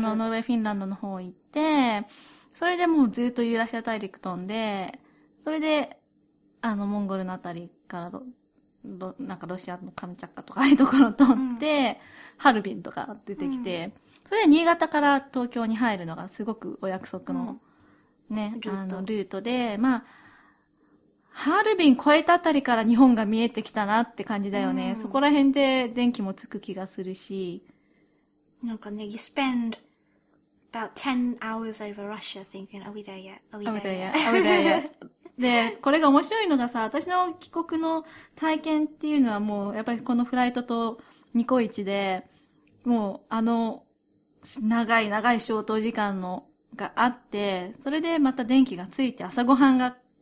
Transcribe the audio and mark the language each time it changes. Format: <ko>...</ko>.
<ja>すぐ、ノルウェー、フィンランドの方行って、それでもうずっとユーラシア大陸飛んで、それで、モンゴルのあたりから、なんかロシアのカムチャッカとかああいうところ飛んで、うん、ハルビンとか出てきて、うん、それで新潟から東京に入るのがすごくお約束の、ね、うん、ルートで、まあ、ハルビン越えたあたりから日本が見えてきたなって感じだよね。うん、そこら辺で電気もつく気がするし。なんかね、</ja> <en>you spend about 10 hours over Russia thinking, are we there yet? Are we there yet? Are we there yet?</en> <ja>で、これが面白いのがさ、私の帰国の体験っていうのはもう、やっぱりこのフライトとニコイチで、もう長い長い消灯時間のがあって、それでまた電気がついて朝ごはんが、</ja>